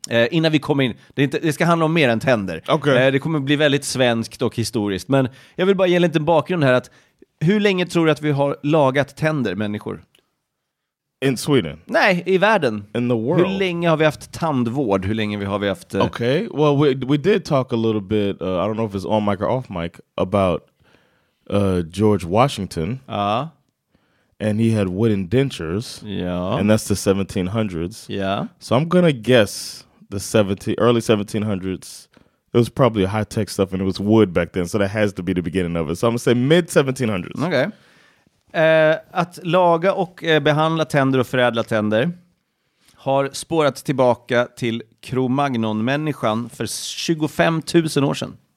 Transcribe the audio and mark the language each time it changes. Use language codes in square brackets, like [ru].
[sv] Innan vi kommer in, det ska handla om mer än tänder. [en] Okay. [sv] Det kommer bli väldigt svenskt och historiskt. Men jag vill bara ge en liten bakgrund här. Att hur länge tror du att vi har lagat tänder, människor? [en] In Sweden? [sv] Nej, i världen. [en] In the world. [sv] Hur länge har vi haft tandvård? Hur länge har vi haft... [en] Okay, well we did talk a little bit, I don't know if it's on mic or off mic, about George Washington. [sv] Ja. [en] And he had wooden dentures. Yeah. And that's the 1700s. Yeah. So I'm going to guess the early 1700s. It was probably high-tech stuff and it was wood back then. So that has to be the beginning of it. So I'm going to say mid-1700s. Okay. [sv] Att laga och behandla tänder och förädla tänder har spårats tillbaka till Cro-Magnon-människan för 25 000 år sedan.